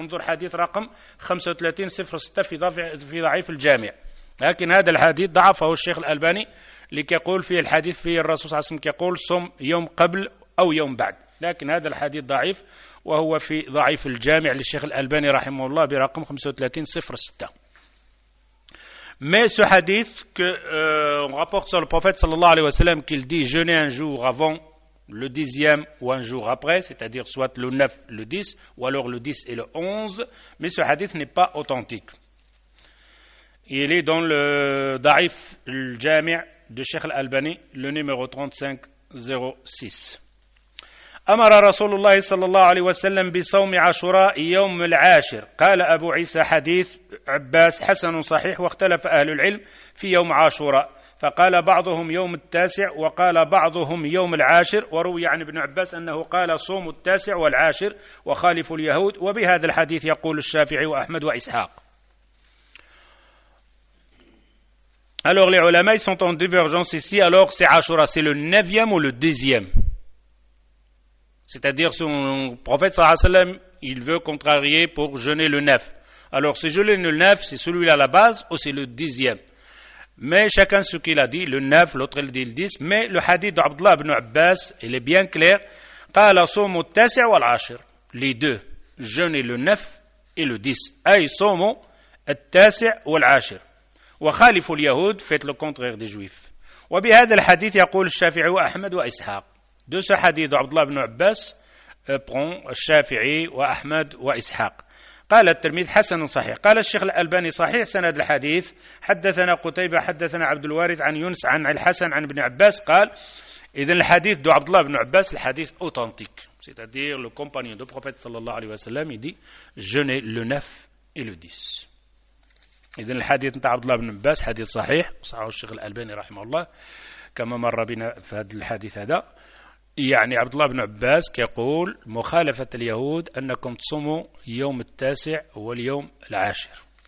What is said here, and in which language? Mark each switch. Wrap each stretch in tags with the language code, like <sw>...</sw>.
<ar>انظر حديث رقم 3506 في ضعيف الجامع, لكن هذا الحديث ضعفه الشيخ الألباني لكي يقول فيه الحديث فيه الرسول صلى الله عليه وسلم يقول صم يوم قبل أو يوم بعد, لكن هذا الحديث ضعيف وهو في ضعيف الجامع للشيخ الألباني رحمه الله برقم 3506.</ar> <fr>Mais ce hadith qu'on rapporte sur le prophète sallallahu alayhi wa sallam qu'il dit jeûner un jour avant le dixième ou un jour après, c'est-à-dire soit le 9, le 10 ou alors le 10 et le 11, mais ce hadith n'est pas authentique. Il est dans le Da'if al-Jami' de Cheikh al-Albani, le numéro 3506.</fr> <ar>أمر رسول الله صلى الله عليه وسلم بصوم عاشوراء يوم العاشر. قال أبو عيسى حديث عباس حسن صحيح واختلف أهل العلم في يوم عاشوراء, فقال بعضهم يوم التاسع وقال بعضهم يوم العاشر, وروي عن ابن عباس أنه قال صوم التاسع والعاشر وخالف اليهود. وبهذا الحديث يقول الشافعي وأحمد وإسحاق.</ar> <fr>Alors les ulama ils sont en divergence ici. Alors c'est Ashura, c'est le 9e ou le 10e? C'est-à-dire, si le prophète sallallahu alayhi wa sallam, il veut contrarier pour jeûner le 9. Alors, si jeûner le 9, c'est celui-là la base ou c'est le 10e? Mais chacun ce qu'il a dit, le 9, l'autre il dit le 10. Mais le hadith d'Abdullah ibn Abbas, il est bien clair.</fr> <ar>Qala sawmu at-tasi' wal 'ashr.</ar> <fr>Les deux. Jeûner le 9 et le 10.</fr> <ar>Ay sawmu at-tasi' wal 'ashr. Wa khalifu al-yahud,</ar> <fr>faites le contraire des juifs.</fr> <ar>Wa bi hadha al-hadith yaqul al-Shafi'i wa Ahmad wa Ishaq.</ar> <fr>De ce hadith d'Abdullah ibn Abbas prend Shafi'i wa Ahmad wa Ishaq.</fr> <ar>قال الترمذي حسن صحيح. قال الشيخ الألباني صحيح سند الحديث. حدثنا قتيبة حدثنا عبد الوارث عن يونس عن الحسن عن ابن عباس قال. إذن الحديث</ar> <fr>دو</fr> <ar>عبد الله بن عباس الحديث</ar> <fr>أوتنتيك. C'est-à-dire le compagnon du prophète صلى الله عليه وسلم il dit jeûner le 9 et le 10.</fr> <ar>إذن الحديث نتاع عبد الله بن عباس حديث صحيح صحيح الشيخ الألباني رحمه الله كما مر بنا في هذا الحديث هذا. يعني عبد الله بن عباس يقول مخالفة اليهود أنكم تصوموا يوم التاسع واليوم العاشر.</ar>